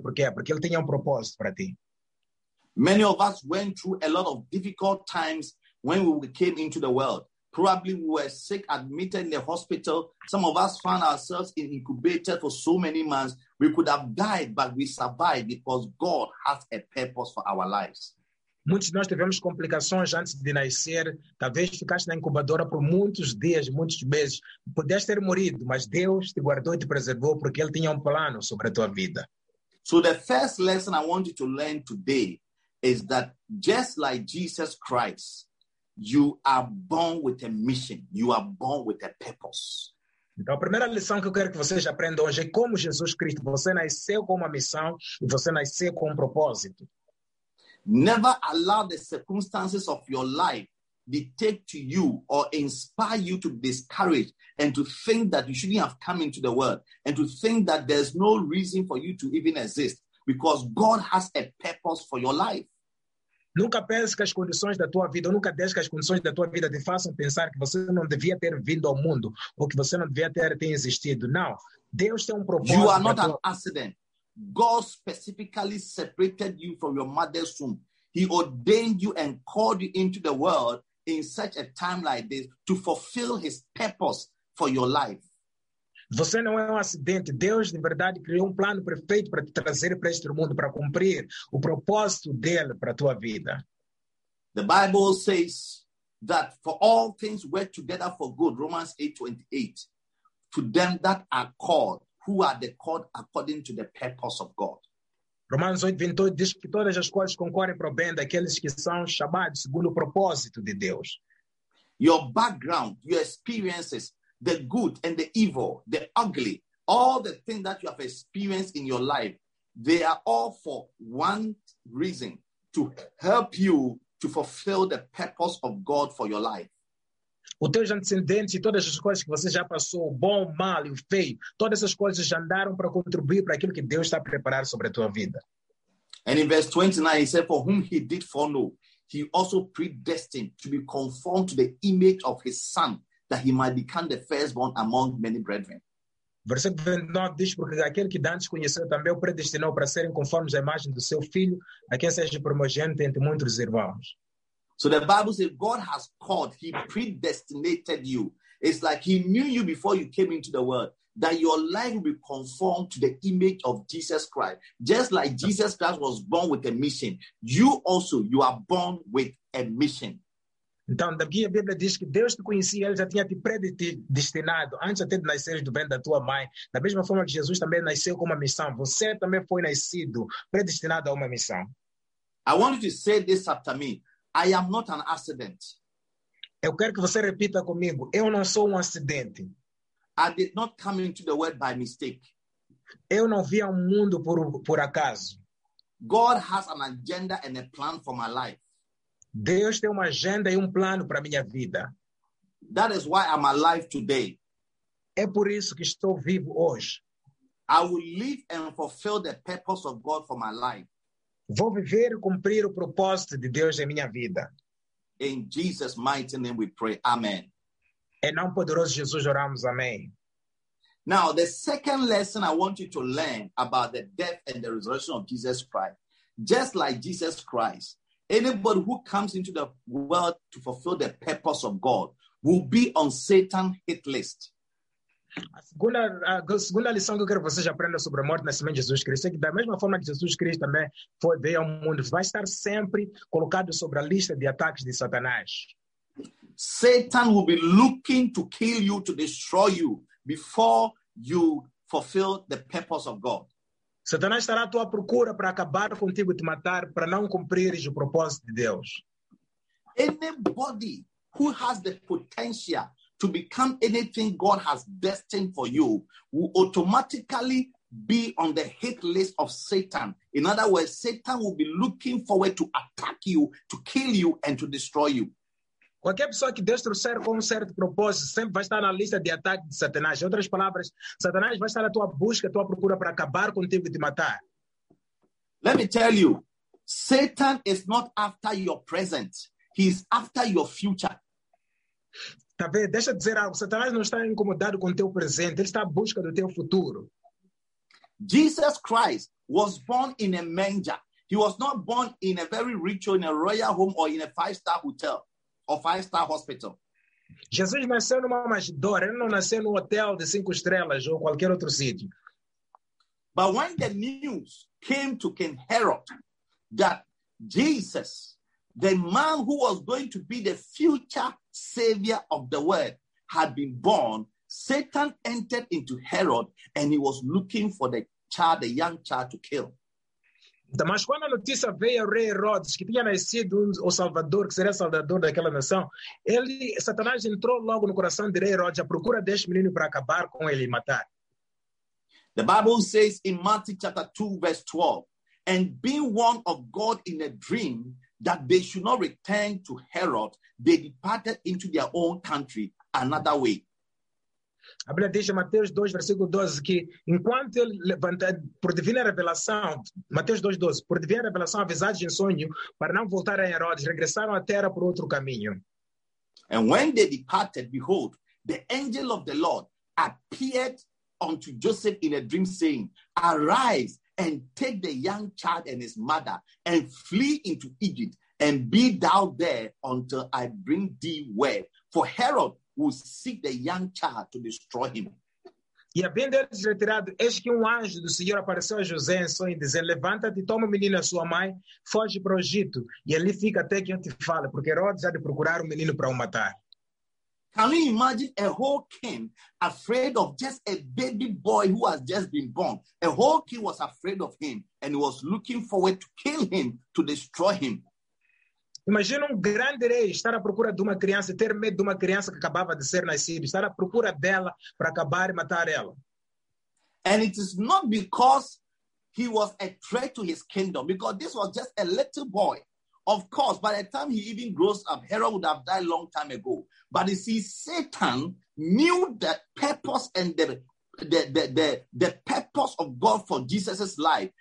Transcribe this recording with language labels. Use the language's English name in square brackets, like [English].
[Portuguese] Por quê? Porque Ele tinha um propósito para ti. [English] Many of us went through a lot of difficult times when we came into the world. Probably we were sick, admitted in the hospital. Some of us found ourselves in incubator for so many months. We could have died, but we survived because God has a purpose for our lives. [Portuguese] Muitos de nós tivemos complicações antes de nascer. Talvez ficaste na incubadora por muitos dias, muitos meses. Pudeste ter morrido, mas Deus te guardou e te preservou porque Ele tinha um plano sobre a tua vida. [English] So the first lesson I want you to learn today is that just like Jesus Christ, you are born with a mission. You are born with a purpose. [Portuguese] Então, a primeira lição que eu quero que vocês aprendam hoje é como Jesus Cristo. Você nasceu com uma missão e você nasceu com um propósito. [English] Never allow the circumstances of your life dictate to you or inspire you to discourage and to think that you shouldn't have come into the world and to think that there's no reason for you to even exist because God has a purpose for your life. [Portuguese] Nunca pense que as condições da tua vida, nunca deixe que as condições da tua vida te façam pensar que você não devia ter vindo ao mundo ou que você não devia ter existido. Não, Deus tem um propósito. [English] You are not an accident. God specifically separated you from your mother's womb. He ordained you and called you into the world in such a time like this to fulfill his purpose for your life. [Portuguese] Você não é um acidente. Deus, de verdade, criou um plano perfeito para te trazer para este mundo, para cumprir o propósito dele para tua vida. [English] The Bible says that for all things work together for good, Romans 8:28, to them that are called, who are the called according to the purpose of God. [Portuguese] Romanos 8:28 diz que todas as coisas concorrem para o bem daqueles que são chamados segundo o propósito de Deus. [English] Your background, your experiences, the good and the evil, the ugly, all the things that you have experienced in your life, they are all for one reason, to help you to fulfill the purpose of God for your life. [Portuguese] Os teus antecedentes e todas as coisas que você já passou, o bom, o mal e o feio, todas essas coisas já andaram para contribuir para aquilo que Deus está a preparar sobre a tua vida. [English] And in verse 29, he said, for whom he did foreknow, he also predestined to be conformed to the image of his son, that he might become the firstborn among many brethren. [Portuguese] Versículo 29 diz, porque aquele que antes conheceu também o predestinou para serem conformes à imagem do seu filho, a quem seja primogênito entre muitos irmãos. [English] So the Bible says God has called, he predestinated you. It's like he knew you before you came into the world, that your life will be conformed to the image of Jesus Christ. Just like Jesus Christ was born with a mission, you also, you are born with a mission. [Portuguese] Então, daqui a Bíblia diz que Deus te conhecia, ele já tinha te predestinado, antes até de nasceres do ventre da tua mãe. Da mesma forma que Jesus também nasceu com uma missão, você também foi nascido, predestinado a uma missão. [English] I want you to say this after me. I am not an accident. [Portuguese] Eu quero que você repita comigo. Eu não sou acidente. [English] I did not come into the world by mistake. [Portuguese] Eu não vi ao mundo por acaso. [English] God has an agenda and a plan for my life. [Portuguese] Deus tem uma agenda e plano para minha vida. [English] That is why I'm alive today. [Portuguese] É por isso que estou vivo hoje. [English] I will live and fulfill the purpose of God for my life. [Portuguese] Vou viver e cumprir o propósito de Deus em minha vida. [English] In Jesus' mighty name we pray. Amen. [Portuguese] Em nome poderoso de Jesus oramos. Amém. [English] Now, the second lesson I want you to learn about the death and the resurrection of Jesus Christ. Just like Jesus Christ, anybody who comes into the world to fulfill the purpose of God will be on Satan's hit list. [Portuguese] A segunda lição que eu quero que vocês aprendam sobre a morte e nascimento de Jesus Cristo é que da mesma forma que Jesus Cristo também foi veio ao mundo, vai estar sempre colocado sobre a lista de ataques de Satanás. [English] Satan will be looking to kill you, to destroy you, before you fulfill the purpose of God. [Portuguese] Satanás estará à tua procura para acabar contigo e te matar para não cumprires o propósito de Deus. [English] Anybody who has the potential to become anything God has destined for you will automatically be on the hit list of Satan. In other words, Satan will be looking forward to attack you, to kill you, and to destroy you. [Portuguese] Qualquer pessoa que Deus trouxer com um certo propósito sempre vai estar na lista de ataque de Satanás. Em outras palavras, Satanás vai estar à tua busca, à tua procura para acabar contigo e te matar. [English] Let me tell you, Satan is not after your present. He is after your future. [Portuguese] Tá vendo? Deixa eu dizer algo. Satanás não está incomodado com o teu presente. Ele está à busca do teu futuro. [English] Jesus Christ was born in a manger. He was not born in a very rich or in a royal home or in a five-star hotel or five-star hospital. [Portuguese] Jesus nasceu numa manjedoura. Ele não nasceu num hotel de cinco estrelas ou qualquer outro sítio. [English] But when the news came to King Herod that Jesus, the man who was going to be the future savior of the world, had been born, Satan entered into Herod and he was looking for the child, the young child to kill. [Portuguese] Mas quando a notícia veio ao rei Herodes que tinha nascido o Salvador, que seria o Salvador daquela nação, Satanás entrou logo no coração de rei Herodes à procura deste menino para acabar com ele e matar. [English] The Bible says in Matthew chapter 2, verse 12, and being warned of God in a dream that they should not return to Herod, they departed into their own country another way. [Portuguese] A Bíblia diz em Mateus 2, versículo 12, que enquanto ele levanta, por divina revelação, Mateus 2, 12, por divina revelação, avisados em sonho, para não voltar a Herodes, regressaram à terra por outro caminho. [English] And when they departed, behold, the angel of the Lord appeared unto Joseph in a dream, saying, arise, and take the young child and his mother, and flee into Egypt, and be thou there until I bring thee word. For Herod will seek the young child to destroy him. [Portuguese] E havendo eles retirado, eis que um anjo do Senhor apareceu a José em sonho, dizendo, levanta-te, toma o menino e a sua mãe, foge para o Egito, e ali fica até que eu te fale, porque Herodes há de procurar o menino para o matar. [English] Can you imagine a whole king afraid of just a baby boy who has just been born? A whole king was afraid of him and was looking forward to kill him, to destroy him. [Portuguese] Imagine um grande rei estar à procura de uma criança, ter medo de uma criança que acabava de ser nascida, estar à procura dela para acabar e matar ela. [English] And it is not because he was a threat to his kingdom, because this was just a little boy. Of course, by the time he even grows up, Herod would have died a long time ago. But you see, Satan knew the purpose and the purpose of God for Jesus' life.